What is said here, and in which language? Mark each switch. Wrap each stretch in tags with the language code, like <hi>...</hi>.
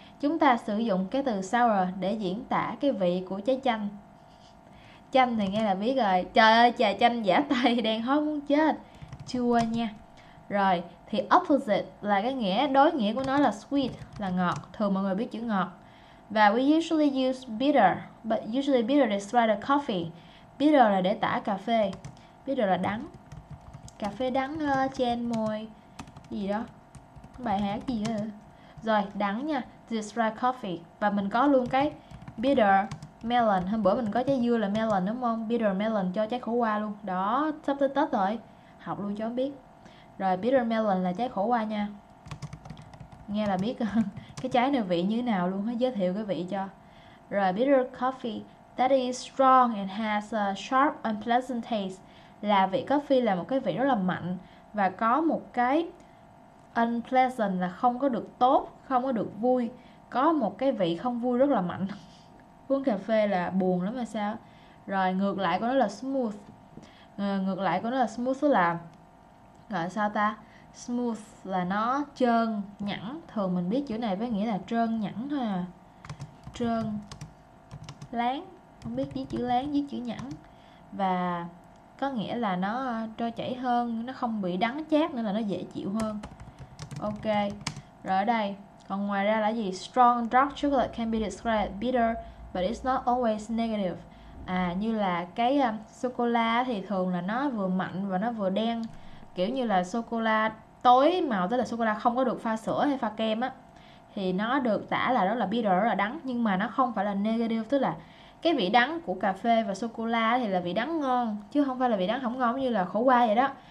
<vi>Chúng ta sử dụng cái từ sour để diễn tả cái vị của trái chanh. Chanh thì nghe là biết rồi. Trời ơi trà chanh giả tay đang hot muốn chết. Chua nha. Rồi thì opposite là cái nghĩa, đối nghĩa của nó là sweet, là ngọt. Thường mọi người biết chữ ngọt. Và</vi> <en>we usually use bitter, but usually bitter describe the coffee.</en> <vi>Bitter là để tả cà phê. Bitter là đắng. Cà phê đắng trên môi. Gì đó. Bài hát gì đó. Rồi, đắng nha.</vi> <en>Describe coffee.</en> <vi>Và mình có luôn cái bitter melon. Hôm bữa mình có trái dưa là melon đúng không? Bitter melon cho trái khổ qua luôn. Đó, sắp tới Tết rồi. Học luôn cho biết. Rồi, bitter melon là trái khổ qua nha. Nghe là biết cái trái này vị như nào luôn. Hãy giới thiệu cái vị cho.</vi> <en>Rồi, bitter coffee. That is strong and has a sharp unpleasant taste.</en> <vi>Là vị coffee là một cái vị rất là mạnh và có một cái unpleasant là không có được tốt, không có được vui, có một cái vị không vui rất là mạnh. Uống cà phê là buồn lắm mà sao? Rồi ngược lại của nó là smooth. Ngược lại của nó là smooth, tức là gọi sao ta? Smooth là nó trơn, nhẵn. Thường mình biết chữ này với nghĩa là trơn, nhẵn thôi à. Trơn, láng. Không biết viết chữ láng, viết chữ nhẵn. Và có nghĩa là nó trôi chảy hơn, nó không bị đắng chát nữa, là nó dễ chịu hơn. Ok, rồi ở đây còn ngoài ra là gì?</vi> <en>Strong dark chocolate can be described as bitter, but it's not always negative.</en> <vi>À, như là cái sô-cô-la thì thường là nó vừa mạnh và nó vừa đen. Kiểu như là sô-cô-la tối màu, tức là sô-cô-la không có được pha sữa hay pha kem á, thì nó được tả là rất là bitter, rất là đắng. Nhưng mà nó không phải là negative, tức là cái vị đắng của cà phê và sô cô la thì là vị đắng ngon, chứ không phải là vị đắng không ngon như là khổ qua vậy đó.</vi>